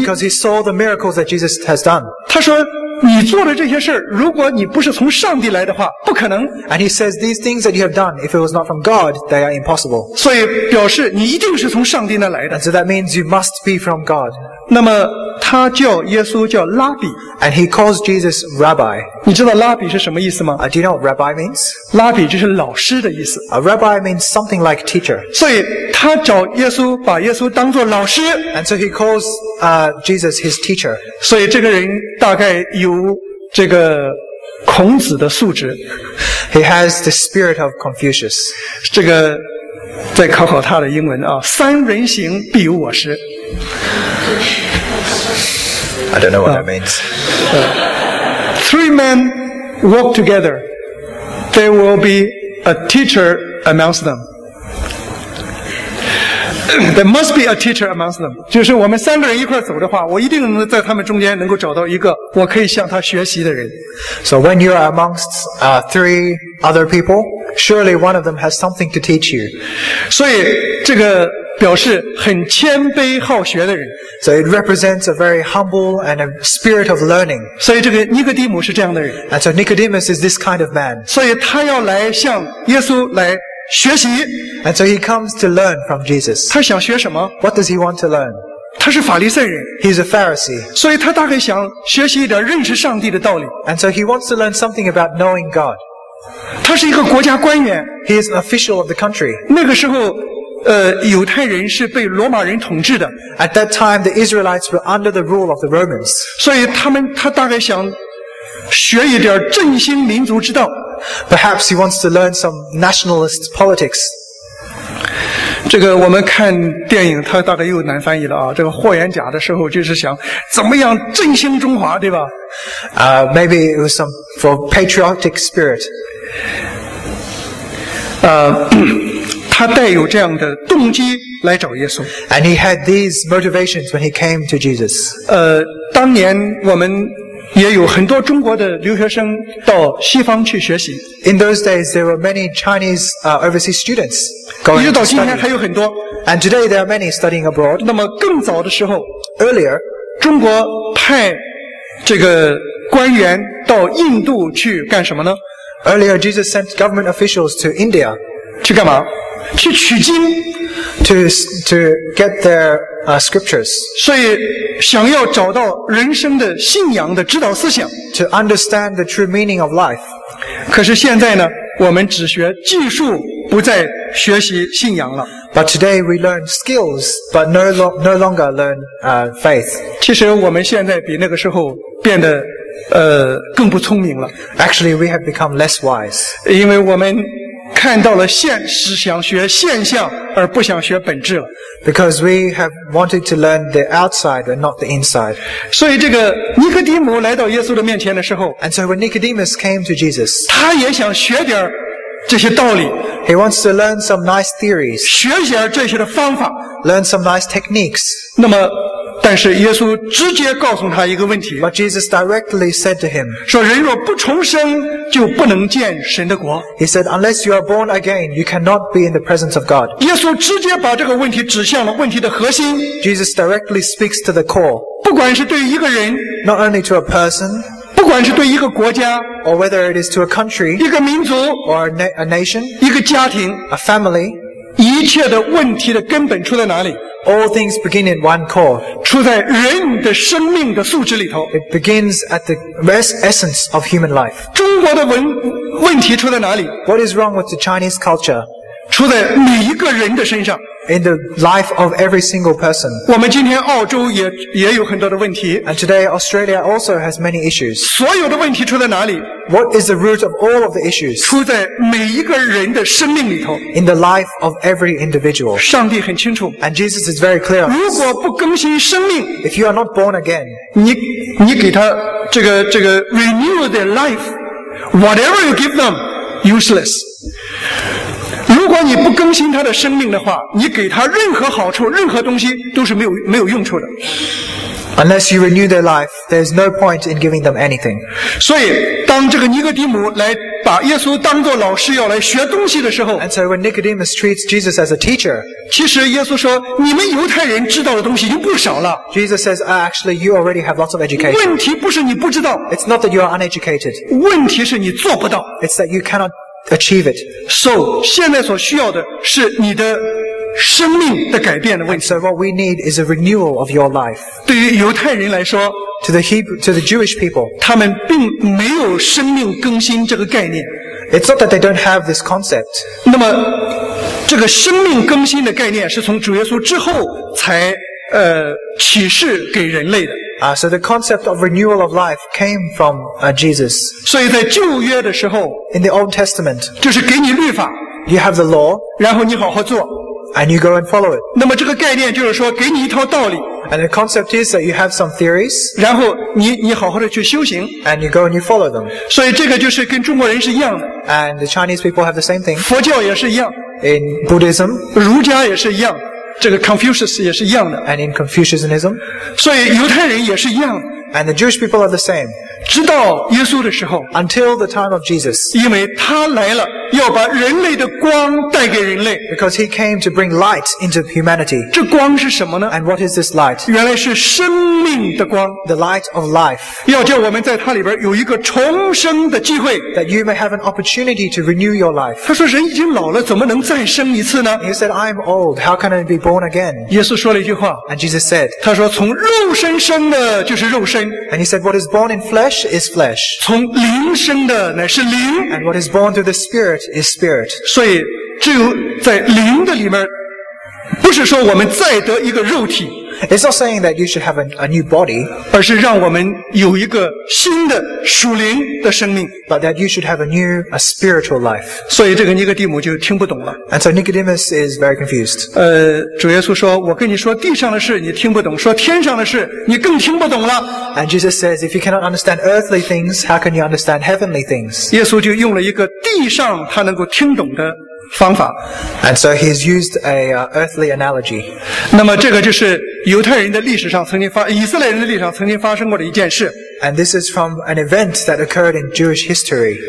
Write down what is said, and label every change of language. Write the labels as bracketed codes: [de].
[en] ，because he saw the miracles that Jesus has done。 [zh] 他说你做的这些事如果你不是从上帝来的话不可能 [en] and he says these things that you have done if it was not from God they are impossible [zh] 所以表示你一定是从上帝那来的 [en] and so that means you must be from God [zh] 那么他叫耶稣叫拉比 [en] and he calls Jesus Rabbi [zh] 你知道拉比是什么意思吗 [en] do you know what Rabbi means? [zh] 拉比就是老师的意思 [en] a Rabbi means something like teacher [zh] 所以他找耶稣把耶稣当作老师 [en] and so he callsJesus, his teacher. [zh] 所以这个人大概有这个孔子的素质。 [en] He has the spirit of Confucius. [zh] 这个再考考他的英文啊，三人行必有我师。 [en] I don't know what that means. Three men walk together. There will be a teacher amongst them. There must be a teacher amongst them. [zh] 就是我们三个人一块走的话，我一定能在他们中间能够找到一个我可以向他学习的人。 [en] So when you are amongst three other people, surely one of them has something to teach you. [zh] 所以这个表示很谦卑好学的人。 [en] So it represents a very humble and a spirit of learning. [zh] 所以这个尼哥底母是这样的人。 [en] And so Nicodemus is this kind of man. [zh] 所以他要来向耶稣来。学习 [en] And so he comes to learn from Jesus. [zh] 他想学什么? [en] What does he want to learn? [zh] 他是法利赛人。 [en] He's a Pharisee. [zh] 所以他大概想学习一点认识上帝的道理。 [en] And so he wants to learn something about knowing God. [zh] 他是一个国家官员。 [en] He is an official of the country. [zh] 那个时候犹太人是被罗马人统治的。 [en] At that time, the Israelites were under the rule of the Romans. [zh] 所以他大概想学一点振兴民族之道。 [en] Perhaps he wants to learn some nationalist politics. [zh] 这个我们看电影，他大概又难翻译了啊。这个霍元甲的时候，就是想怎么样振兴中华，对吧？ [en] Maybe it was some for patriotic spirit. [zh] 他带有这样的动机来找耶稣。 [en] And he had these motivations when he came to Jesus. [zh] 当年我们也有很多中国的留学生到西方去学习。 [en] In those days, there were many Chinese overseas students going to study. [zh] 到今天还有很多。 [en] And today, there are many studying abroad. [zh] 那么更早的时候 [en] ，earlier， [zh] 中国派这个官员到印度去干什么呢 [en] ？Earlier, Jesus sent government officials to India. [zh] 去干嘛？去取经。 [en] To get their scriptures. [zh] 所以想要找到人生的信仰的指导思想。 [en] To understand the true meaning of life. [zh] 可是现在呢，我们只学技术，不再学习信仰了。 [en] But today we learn skills, but no longer learn faith. [zh] 其实我们现在比那个时候变得更不聪明了。 [en] Actually, we have become less wise. [zh] 因为我们看到了现实，想学现象，而不想学本质了。 [en] Because we have wanted to learn the outside and not the inside. [zh] 所以这个尼哥底母来到耶稣的面前的时候 [en] ，And so when Nicodemus came to Jesus, [zh] 他也想学点这些道理。 [en] He wants to learn some nice theories. [zh] 学点这些的方法。 [en] Learn some nice techniques. [zh] 那么，但是耶稣直接告诉他一个问题。 [en] But Jesus directly said to him, [zh] 说人若不重生，就不能见神的国。 [en] He said, unless you are born again, you cannot be in the presence of God. [zh] 耶稣直接把这个问题指向了问题的核心。 [en] Jesus directly speaks to the core. [zh] 不管是对一个人， [en] not only to a person, [zh] 不管是对一个国家， [en] or whether it is to a country, [zh] 一个民族， [en] or a nation, [zh] 一个家庭， [en] a family, [zh] 一切的问题的根本出在哪里？ [en] All things begin in one core. [zh] 出在人的生命的素质里头。 [en] It begins at the essence of human life. [zh] 中国的问题出在哪里？ [en] What is wrong with the Chinese culture? [zh] 出在每一个人的身上。 [en] In the life of every single person. [zh] 我们今天澳洲也有很多的问题。 [en] And today Australia also has many issues. [zh] 所有的问题出在哪里？ [en] What is the root of all of the issues? [zh] 出在每一个人的生命里头。 [en] In the life of every individual. [zh] 上帝很清楚。 [en] And Jesus is very clear. [zh] 如果不更新生命， [en] If you are not born again, [zh] 你给他这个 [en] renew their life, whatever you give them, useless. [zh] 如果你不更新他的生命的话，你给他任何好处、任何东西都是没有用处的。 [en] Unless you renew their life, there's no point in giving them anything. [zh] 所以，当这个尼哥底母来把耶稣当作老师要来学东西的时候 [en] ，And so when Nicodemus treats Jesus as a teacher, [zh] 其实耶稣说，你们犹太人知道的东西就不少了。 [en] Jesus says, actually, you already have lots of education. [zh] 问题不是你不知道 [en] ，It's not that you are uneducated. [zh] 问题是你做不到 [en] ，It's that you cannot. Achieve it. [zh] So, 现在所需要的是你的生命的改变的问题。 [en] So what we need is a renewal of your life. [zh] 对于犹太人来说 [en] to the Jewish people, [zh] 他们并没有生命更新这个概念。 [en] It's not that they don't have this concept. [zh] 那么，这个生命更新的概念是从主耶稣之后才启示给人类的。 [en] So the concept of renewal of life came from Jesus. [zh] 所以在旧约的时候 [en] ，In the Old Testament， [zh] 就是给你律法 [en] ，You have the law， [zh] 然后你好好做 [en] ，And you go and follow it。 [zh] 那么这个概念就是说，给你一套道理 [en] ，And the concept is that you have some theories， [zh] 然后你好好的去修行 [en] ，And you go and you follow them。 [zh] 所以这个就是跟中国人是一样的 [en] ，And the Chinese people have the same thing。 [zh] 佛教也是一样 [en] ，In Buddhism， [zh] 儒家也是一样。这个 Confucius 也是一样的 [en] ，and in Confucianism， [zh] 所以犹太人也是一样 [en] ，and the Jewish people are the same。 [zh] 直到耶稣的时候 [en] ，until the time of Jesus， [zh] 因为他来了，要把人类的光带给人类。 [en] Because he came to bring light into humanity. [zh] 这光是什么呢？ [en] And what is this light? [zh] 原来是生命的光。 [en] The light of life. [zh] 要叫我们在它里边有一个重生的机会。 [en] That you may have an opportunity to renew your life. [zh] 他说人已经老了，怎么能再生一次呢？ [en] He said, I'm old. How can I be born again? [zh] 耶稣说了一句话。 [en] And Jesus said, [zh] 他说从肉身生的就是肉身。 [en] And he said, what is born in flesh is flesh. [zh] 从灵生的乃是灵。 [en] And what is born through the Spirit is Spirit. [zh] 所以只有在灵的里面，不是说我们再得一个肉体。 [en] It's not saying that you should have a new body. [zh] 而是让我们有一个新的属灵的生命。 [en] But that you should have a new spiritual life. [zh] 所以这个尼哥底母就听不懂了。 [en] And so Nicodemus is very confused. [zh] 主耶稣说，我跟你说地上的事你听不懂，说天上的事你更听不懂了。 [en] And Jesus says, if you cannot understand earthly things, how can you understand heavenly things? [zh] 耶稣就用了一个地上他能够听懂的方法。 [en] And so he's used a earthly analogy. [zh] 那么这个就是犹太人的历史上曾经发，以色列人的历史上曾经发生过的一件事。 [en] And this is from an event that occurred in Jewish history.